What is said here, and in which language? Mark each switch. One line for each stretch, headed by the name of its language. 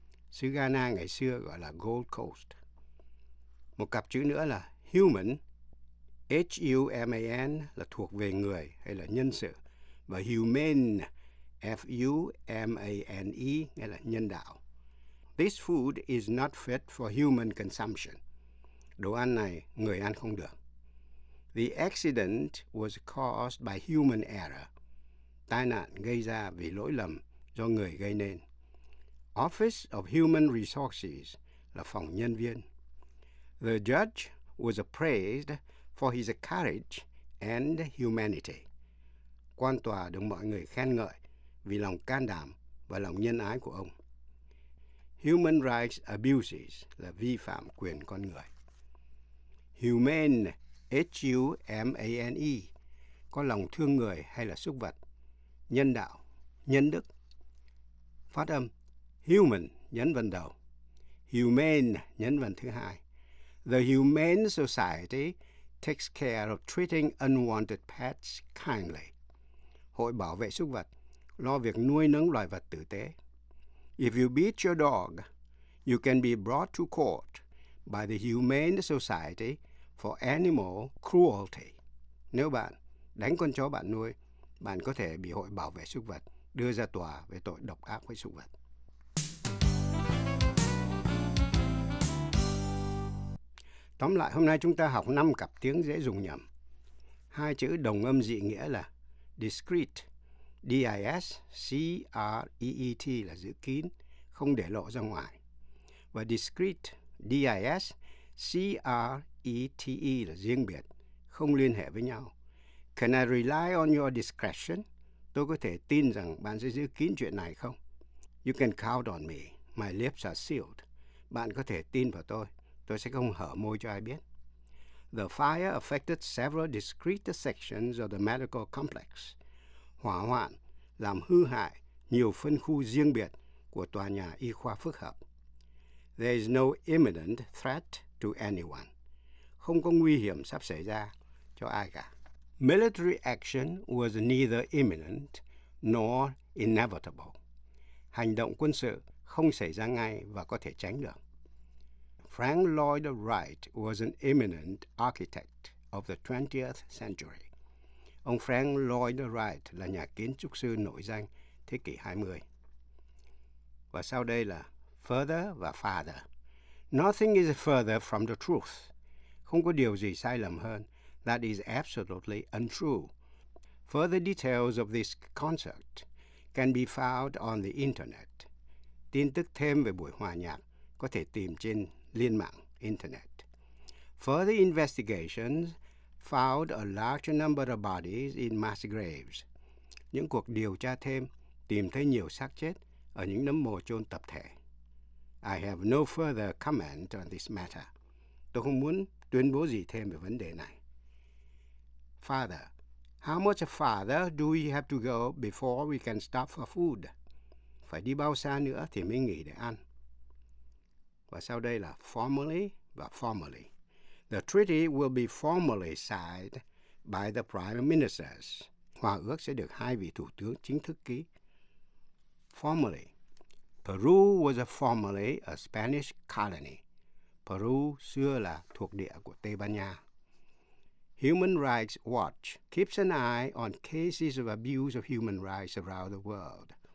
Vietnamese: Xứ Ghana ngày xưa gọi là Gold Coast. Một cặp chữ nữa là human, H-U-M-A-N là thuộc về người hay là nhân sự. Và humane, F-U-M-A-N-E, nghĩa là nhân đạo.
English: This food is not fit for human consumption.
Vietnamese: Đồ ăn này người ăn không được.
English: The accident was caused by human error.
Vietnamese: Tai nạn gây ra vì lỗi lầm do người gây nên. Office of Human Resources là phòng nhân viên.
English: The judge was praised for his courage and humanity.
Vietnamese: Quan tòa được mọi người khen ngợi vì lòng can đảm và lòng nhân ái của ông. Human rights abuses là vi phạm quyền con người. Humane, H-U-M-A-N-E, có lòng thương người hay là súc vật. Nhân đạo, nhân đức. Phát âm Human, nhấn vần đầu. Humane, nhấn vần thứ hai.
English: The Humane Society takes care of treating unwanted pets kindly.
Vietnamese: Hội bảo vệ súc vật, lo việc nuôi nấng loài vật tử tế.
English: If you beat your dog, you can be brought to court by the Humane Society for Animal Cruelty.
Vietnamese: Nếu bạn đánh con chó bạn nuôi, bạn có thể bị hội bảo vệ súc vật đưa ra tòa về tội độc ác với súc vật. Tóm lại, hôm nay chúng ta học 5 cặp tiếng dễ dùng nhầm. Hai chữ đồng âm dị nghĩa là discreet, D-I-S-C-R-E-E-T là giữ kín, không để lộ ra ngoài. Và discreet, D-I-S-C-R-E-T-E là riêng biệt, không liên hệ với nhau.
English: Can I rely on your discretion?
Vietnamese: Tôi có thể tin rằng bạn sẽ giữ kín chuyện này không?
English: You can count on me. My lips are sealed.
Vietnamese: Bạn có thể tin vào tôi. Tôi sẽ không hở môi cho ai biết.
English: The fire affected several discrete sections of the medical complex.
Vietnamese: Hỏa hoạn làm hư hại nhiều phân khu riêng biệt của tòa nhà y khoa phức hợp.
English: There is no imminent threat to anyone.
Vietnamese: Không có nguy hiểm sắp xảy ra cho ai cả.
English: Military action was neither imminent nor inevitable.
Vietnamese: Hành động quân sự không xảy ra ngay và có thể tránh được.
English: Frank Lloyd Wright was an eminent architect of the 20th century.
Vietnamese: Ông Frank Lloyd Wright là nhà kiến trúc sư nổi danh thế kỷ 20. Và sau đây là further và farther.
English: Nothing is further from the truth.
Vietnamese: Không có điều gì sai lầm hơn.
English: That is absolutely untrue. Further details of this concert can be found on the internet.
Vietnamese: Tin tức thêm về buổi hòa nhạc có thể tìm trên liên mạng internet.
English: Further investigations found a large number of bodies in mass graves.
Vietnamese: Những cuộc điều tra thêm tìm thấy nhiều xác chết ở những nấm mồ chôn tập thể.
English: I have no further comment on this matter.
Vietnamese: Tôi không muốn tuyên bố gì thêm về vấn đề này.
English: Father, how much farther do we have to go before we can stop for food?
Vietnamese: Phải đi bao xa nữa thì mới nghỉ để ăn? Và sau đây là formally và formally.
English: The treaty will be formally signed by the prime ministers.
Vietnamese: Hòa ước sẽ được hai vị thủ tướng chính thức ký. Formally.
English: Peru was formerly a Spanish colony.
Vietnamese: Peru xưa là thuộc địa của Tây Ban Nha.
English: Human Rights Watch keeps an eye on cases of abuse of human rights around the world.